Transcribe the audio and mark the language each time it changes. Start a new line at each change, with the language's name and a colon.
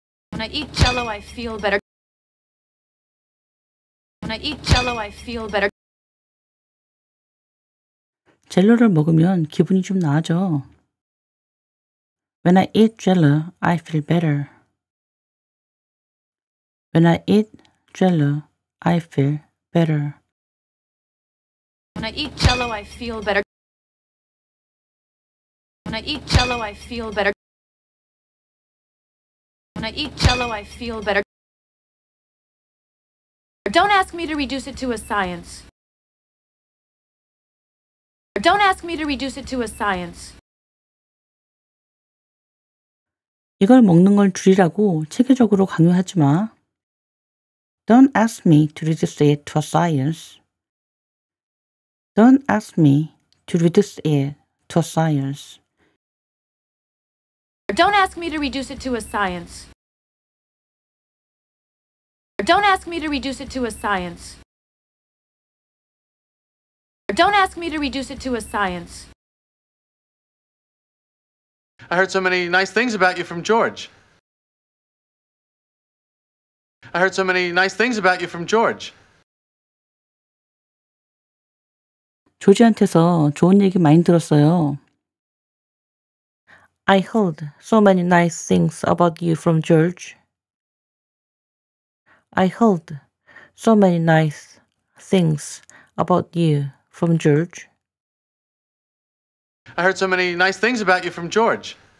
English: When I eat Jell-O, I feel better. When I eat Jell-O, I feel better.
Korean: 젤로를 먹으면 기분이 좀 나아져.
English: When I eat Jell-O, I feel better. When I eat Jell-O, I feel better. When I eat Jell-O, I feel better. When I eat Jell-O, I feel better. When I eat Jell-O, I feel better. Don't ask me to reduce it to a science. Don't ask me to reduce it to a science.
Korean: 이걸 먹는 걸 줄이라고 체계적으로 강요하지 마.
English: Don't ask me to reduce it to a science. Don't ask me to reduce it to a science. Don't ask me to reduce it to a science. Don't ask me to reduce it to a science. Don't ask me to reduce it to a science. I heard so many nice things about you from George. I heard so many nice things about you from George.
Korean: 조지한테서 좋은 얘기 많이 들었어요.
English: I heard so many nice things about you from George. I heard so many nice things about you. From George. I heard so many nice things about you from George.